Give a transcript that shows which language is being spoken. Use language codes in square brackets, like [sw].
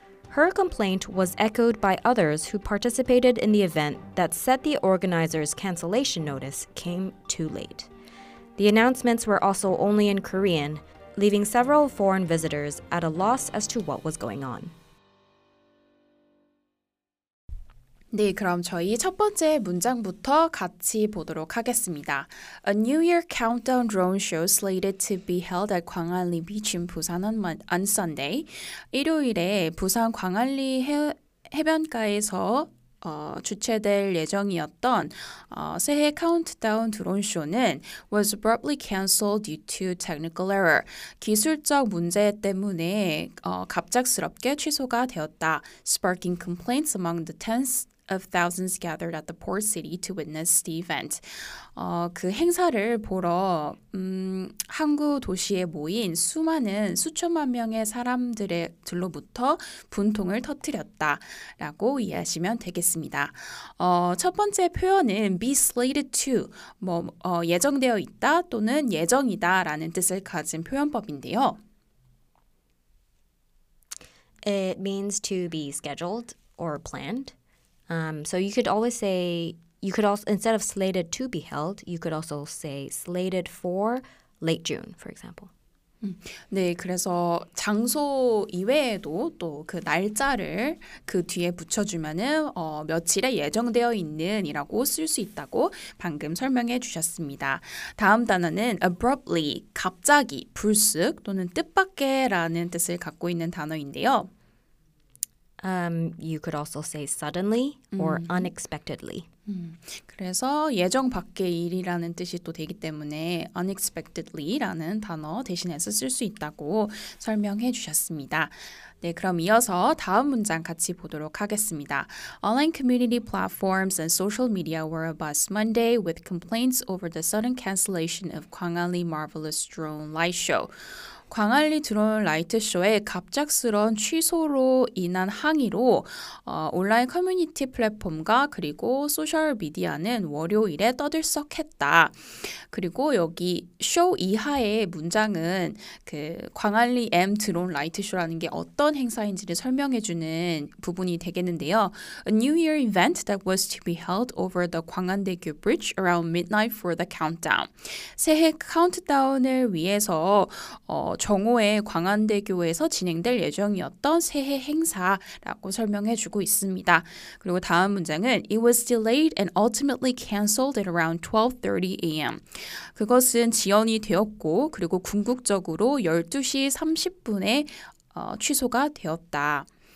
[en] Her complaint was echoed by others who participated in the event that said the organizer's cancellation notice came too late. The announcements were also only in Korean, leaving several foreign visitors at a loss as to what was going on. [ko] 네, 그럼 저희 첫 번째 문장부터 같이 보도록 하겠습니다. [en] A New Year countdown drone show slated to be held at Gwangalli Beach in Busan on Sunday. [ko] 일요일에 부산 광안리 해변가에서 주최될 예정이었던 새해 카운트다운 드론쇼는 [en] was abruptly cancelled due to technical error. [ko] 기술적 문제 때문에 갑작스럽게 취소가 되었다. [en] Sparking complaints among the tens of thousands gathered at the port city to witness the event. [ko] 그 행사를 보러 항구 도시에 모인 수많은 수천만 명의 사람들로부터 분통을 터뜨렸다 라고 이해하시면 되겠습니다. 첫 번째 표현은 be slated to, 예정되어 있다 또는 예정이다 라는 뜻을 가진 표현법인데요. [en] It means to be scheduled or planned. So you could always say, you could also, instead of slated to be held, you could also say slated for late June, for example. [ko] 네, 그래서 장소 이외에도 또 그 날짜를 그 뒤에 붙여주면은 며칠에 예정되어 있는이라고 쓸 수 있다고 방금 설명해 주셨습니다. 다음 단어는 abruptly, 갑자기, 불쑥 또는 뜻밖의 라는 뜻을 갖고 있는 단어인데요. [en] You could also say suddenly or unexpectedly. [ko] 그래서 예정 밖의 일이라는 뜻이 또 되기 때문에 unexpectedly라는 단어 대신해서 쓸 수 있다고 설명해 주셨습니다. 네, 그럼 이어서 다음 문장 같이 보도록 하겠습니다. [en] Online community platforms and social media were abuzz Monday with complaints over the sudden cancellation of Gwangalli Marvelous Drone Light Show. [ko] 광안리 드론 라이트 쇼의 갑작스러운 취소로 인한 항의로 온라인 커뮤니티 플랫폼과 그리고 소셜 미디어는 월요일에 떠들썩했다. 그리고 여기 쇼 이하의 문장은 그 광안리 M 드론 라이트 쇼라는 게 어떤 행사인지를 설명해주는 부분이 되겠는데요. [en] A New Year event that was to be held over the 광안대교 bridge around midnight for the countdown. [ko] 새해 카운트다운을 위해서 정오에 광안대교에서 진행될 예정이었던 새해 행사라고 설명해주고 있습니다. 그리고 다음 문장은 [en] It was delayed and ultimately cancelled at around 12:30 a.m. [ko] 그것은 지연이 되었고 그리고 궁극적으로 12시 30분에 취소가 되었다.